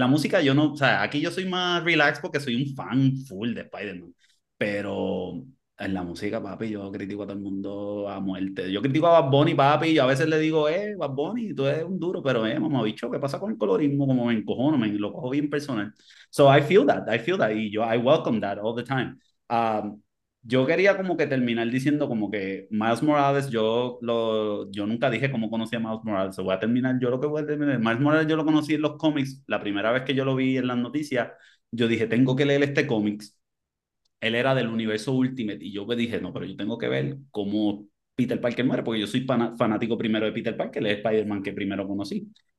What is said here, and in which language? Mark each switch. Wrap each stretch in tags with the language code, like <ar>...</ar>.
<es>En la música yo no, o sea, aquí yo soy más relax porque soy un fan full de Spider-Man, pero en la música, papi, yo critico a todo el mundo a muerte. Yo critico a Bad Bunny, papi, yo a veces le digo, Bad Bunny, tú eres un duro, pero, mamá, bicho, ¿qué pasa con el colorismo? Como me encojono, me lo cojo bien personal.</es> <en>So I feel that,</en> <es>y yo,</es> <en>I welcome that all the time.</en> <es>Yo quería como que terminar diciendo como que Miles Morales, yo nunca dije cómo conocí a Miles Morales. Voy a terminar, yo lo que voy a terminar, Miles Morales yo lo conocí en los cómics. La primera vez que yo lo vi en las noticias, yo dije, tengo que leer este cómics. Él era del universo Ultimate y yo me dije, no, pero yo tengo que ver cómo Peter Parker muere, porque yo soy fanático primero de Peter Parker, el Spider-Man que primero conocí.</es>